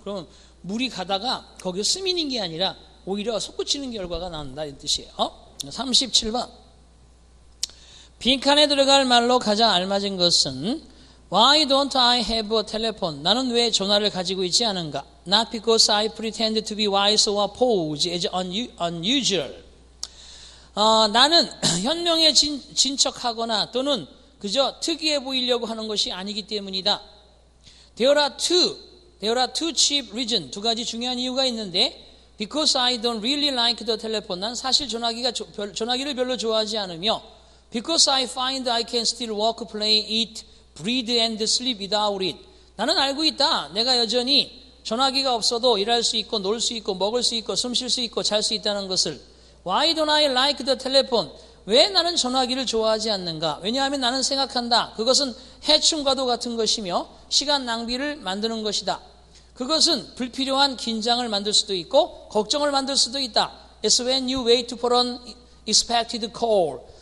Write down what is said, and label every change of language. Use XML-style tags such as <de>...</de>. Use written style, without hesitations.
<ko>그러면 물이 가다가 거기에 스미는 게 아니라 오히려 솟구치는 결과가 나온다 이 뜻이에요. 37번. 빈칸에 들어갈 말로 가장 알맞은 것은</ko> <en>Why don't I have a telephone?</en> <ko>나는 왜 전화를 가지고 있지 않은가?</ko> <en>Not because I pretend to be wise or pose is unusual.</en> <ko>나는 현명해 진척하거나 또는 그저 특이해 보이려고 하는 것이 아니기 때문이다.</ko> <en>There are two chief reasons.</en> <ko>두 가지 중요한 이유가 있는데</ko> <en>Because I don't really like the telephone.</en> <ko>난 사실 전화기를 별로 좋아하지 않으며</ko> <en>Because I find I can still walk, play, eat, breathe and sleep without it.</en> <ko>나는 알고 있다. 내가 여전히 전화기가 없어도 일할 수 있고 놀 수 있고 먹을 수 있고 숨 쉴 수 있고 잘 수 있다는 것을.</ko> <en>Why don't I like the telephone?</en> <ko>왜 나는 전화기를 좋아하지 않는가? 왜냐하면 나는 생각한다. 그것은 해충과도 같은 것이며 시간 낭비를 만드는 것이다. 그것은 불필요한 긴장을 만들 수도 있고 걱정을 만들 수도 있다.</ko> <en>It's when you wait for an expected call.</en>